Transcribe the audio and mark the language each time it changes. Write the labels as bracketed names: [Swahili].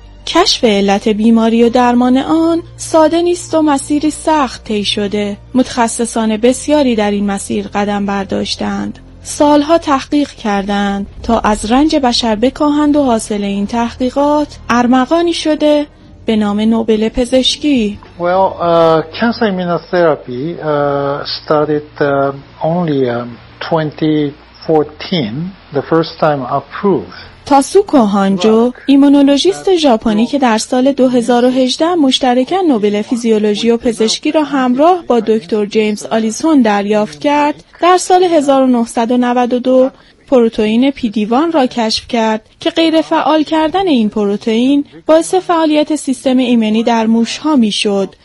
[Persian] کشف علت بیماری و درمان آن ساده نیست و مسیری سخت طی شده. متخصصان بسیاری در این مسیر قدم برداشتند. سالها تحقیق کردند تا از رنج بشر بکاهند و حاصل این تحقیقات ارمغانی شده به نام نوبل پزشکی. [English] Cancer immunotherapy started only 2014, the first time approved. [Persian] تاسوکو هانجو، ایمونولوژیست ژاپنی که در سال 2018 مشترکاً نوبل فیزیولوژی و پزشکی را همراه با دکتر جیمز آلیسون دریافت کرد، در سال 1992 پروتئین پیدیوان را کشف کرد که غیر فعال کردن این پروتئین باعث فعالیت سیستم ایمنی در موش‌ها می‌شد.